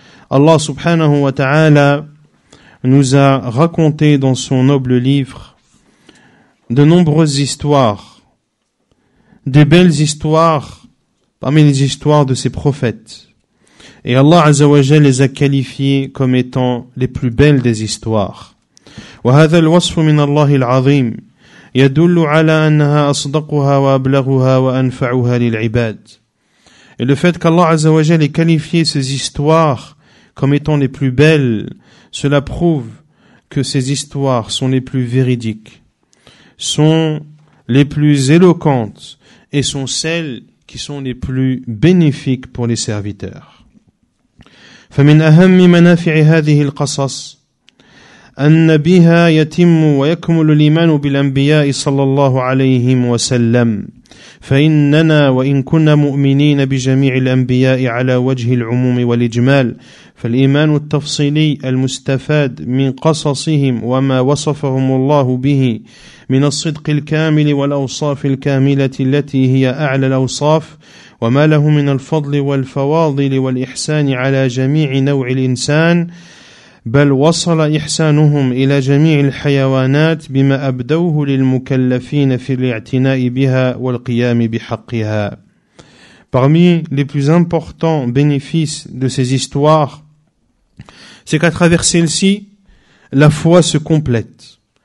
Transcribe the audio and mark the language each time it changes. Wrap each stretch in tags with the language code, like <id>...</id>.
<fr>Allah subhanahu wa ta'ala nous a raconté dans son noble livre de nombreuses histoires, des belles histoires parmi les histoires de ses prophètes. Et Allah Azza wa Jalla les a qualifiées comme étant les plus belles des histoires.</fr> <ar>وهذا الوصف من الله العظيم يدل على أنها أصدقها وأبلغها وأنفعها للعباد.</ar> <fr>Et le fait qu'Allah Azza wa Jalla ait qualifié ces histoires comme étant les plus belles, cela prouve que ces histoires sont les plus véridiques, sont les plus éloquentes, et sont celles qui sont les plus bénéfiques pour les serviteurs.</fr> <ar>فمن أهم منافع هذه القصص أن بها يتم ويكمل الإيمان بالأنبياء صلى الله عليه وسلم فإننا وإن كنا مؤمنين بجميع الأنبياء على وجه العموم والإجمال فالإيمان التفصيلي المستفاد من قصصهم وما وصفهم الله به من الصدق الكامل والأوصاف الكاملة التي هي أعلى الأوصاف وما له من الفضل والفواضل والإحسان على جميع نوع الإنسان بل وصل إحسانهم إلى جميع الحيوانات بما أبدوه للمكلفين في الاعتناء بها والقيام بحقها.</ar> <fr>Parmi les plus importants bénéfices de ces histoires, c'est qu'à travers celles-ci, la foi se complète.</fr>